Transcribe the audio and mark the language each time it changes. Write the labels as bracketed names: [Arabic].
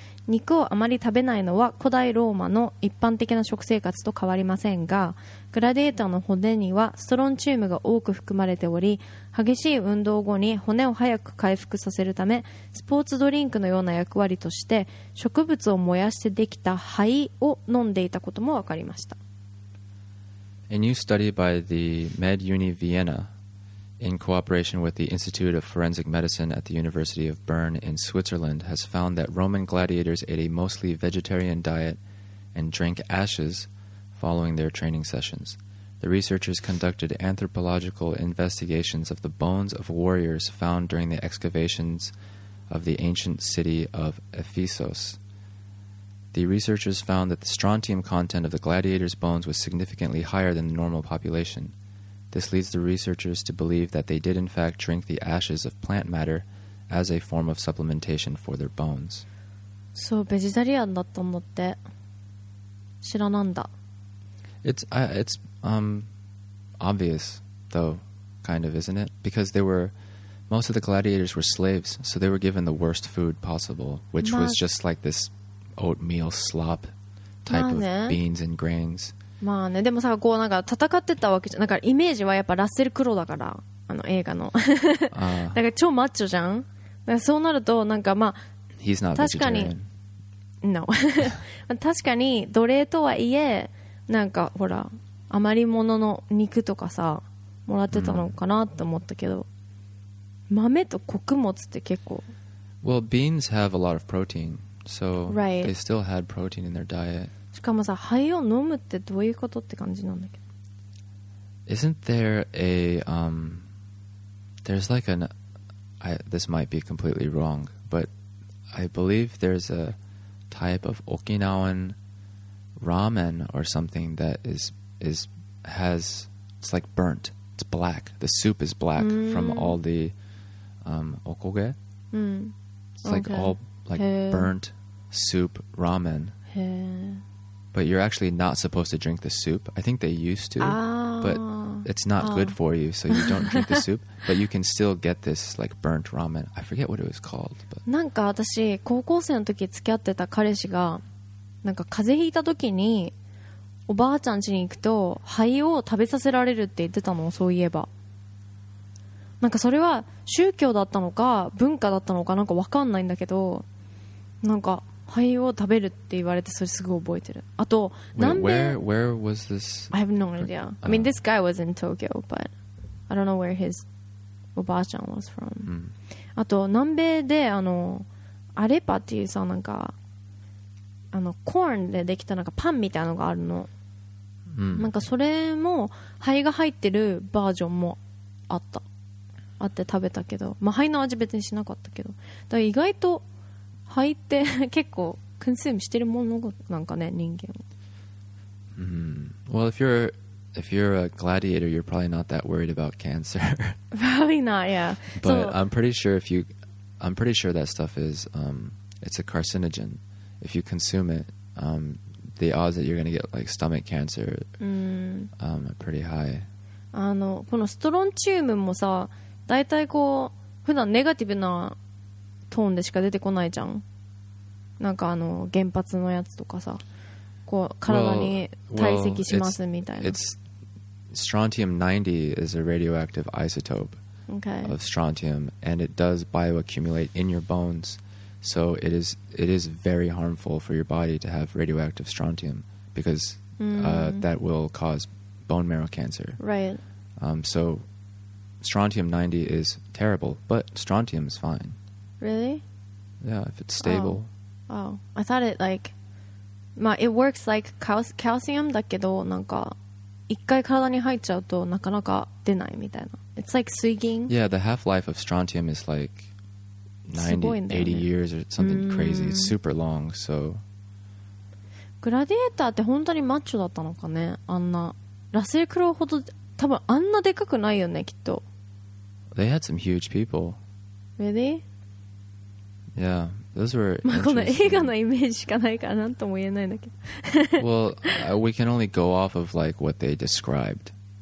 [Japanese] 肉をあまり食べないのは古代ローマの一般的な食生活と変わりませんが、グラディエーターの骨にはストロンチウムが多く含まれており、激しい運動後に骨を早く回復させるため、スポーツドリンクのような役割として植物を燃やしてできた灰を飲んでいたことも分かりました。 [English] A new study by the MedUni Vienna in cooperation with the Institute of Forensic Medicine at the University of Bern in Switzerland has found that Roman gladiators ate a mostly vegetarian diet and drank ashes following their training sessions. The researchers conducted anthropological investigations of the bones of warriors found during the excavations of the ancient city of Ephesus. The researchers found that the strontium content of the gladiators' bones was significantly higher than the normal population. This leads the researchers to believe that they did in fact drink the ashes of plant matter as a form of supplementation for their bones. [Japanese] So, vegetarian だったのって知らなんだ。 [English] It's obvious though, kind of, isn't it? Because most of the gladiators were slaves, so they were given the worst food possible, which was just like this oatmeal slop type of beans and grains. [Japanese] まあね、でもさ、こうなんか戦ってたわけじゃん。だからイメージはやっぱラッセル・クロウだから、あの映画のだから超マッチョじゃん。だからそうなるとなんか、まあ、 [English] He's not vegetarian. [Japanese] 確かに、no. 確かに奴隷とはいえ、なんかほら余り物の肉とかさもらってたのかなって思ったけど、豆と穀物って結構、 [English] Well, beans have a lot of protein, so they still had protein in their diet [Japanese] しかもさ、灰を飲むってどういうことって感じなんだけど。 [English] Isn't there a there's like an this might be completely wrong, but I believe there's a type of Okinawan ramen or something that has it's like burnt. It's black. The soup is black from all the okoge. It's like all like burnt soup ramen. But you're actually not supposed to drink the soup. I think they used to, but it's not good for you, so you don't drink the soup. But you can still get this like burnt ramen. I forget what it was called. But... [Japanese] なんか私高校生の時付き合ってた彼氏がなんか風邪ひいた時におばあちゃん家に行くと灰を食べさせられるって言ってたの。そういえばなんかそれは宗教だったのか文化だったのかなんかわかんないんだけど、なんか灰を食べるって言われてそれすぐ覚えてる。あと [English] 南米、 where was this? I have no idea. I mean, this guy was in Tokyo, but I don't know where his おばあちゃん was from. [Japanese] あと南米でアレパっていうさ、なんかコーンでできたなんかパンみたいなのがあるの。なんかそれも灰が入ってるバージョンもあった。あって食べたけど、まあ灰の味別にしなかったけど、だから意外と入って結構コンスームしてるものなんかね、人間。 [English] Well, if you're a gladiator, you're probably not that worried about cancer. Probably not, yeah. But so, I'm pretty sure that stuff is it's a carcinogen. If you consume it, the odds that you're gonna get like stomach cancer are pretty high. [Japanese] このストロンチウムもさ、大体こう普段ネガティブなトーンでしか出てこないじゃん。なんか原発のやつとかさ、こう体に堆積しますみたいな。 [English] Well, it's strontium 90 is a radioactive isotope of strontium, and it does bioaccumulate in your bones. So it is very harmful for your body to have radioactive strontium because that will cause bone marrow cancer. Right. So strontium 90 is terrible, but strontium is fine. Really? Yeah, if it's stable. Oh, I thought it like, [Japanese] まあ [English] it works like calcium [Japanese] だけど、なんか一回体に入っちゃうとなかなか出ないみたいな。 [English] It's like [Japanese] 水銀。 [English] Yeah, the half-life of strontium is like 80 years or something crazy. It's super long. So. [Japanese] グラディエーターって本当にマッチョだったのかね。あんなラッセルクロウほど多分あんなでかくないよねきっと。 [English] They had some huge people. Really? Yeah, those were. [Japanese] まあこの映画のイメージしかないからなんとも言えないんだけど。 [English] Well, we can only go off of like what they described.